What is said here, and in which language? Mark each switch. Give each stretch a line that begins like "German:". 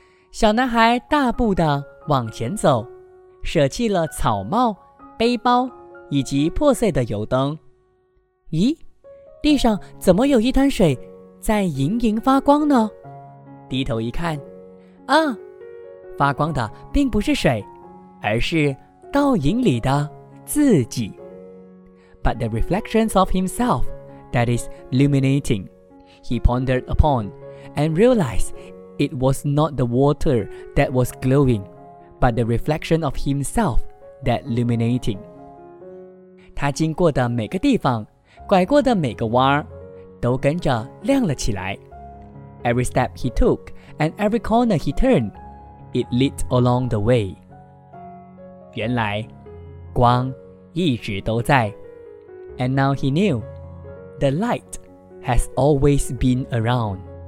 Chinese: 小男孩大步地往前走，舍弃了草帽、背包以及破碎的油灯。咦，地上怎么有一滩水在盈盈发光呢？低头一看，啊，发光的并不是水，而是倒影里的自己。
English: But the reflections of himself that is illuminating, he pondered upon and realized it was not the water that was glowing, but the reflection of himself that illuminating.
Chinese: 他经过的每个地方，拐过的每个弯儿，都跟着亮了起来。
English: Every step he took and every corner he turned, it lit along the way.
Chinese: 原来光一直都在。
English: And now he knew, the light has always been around.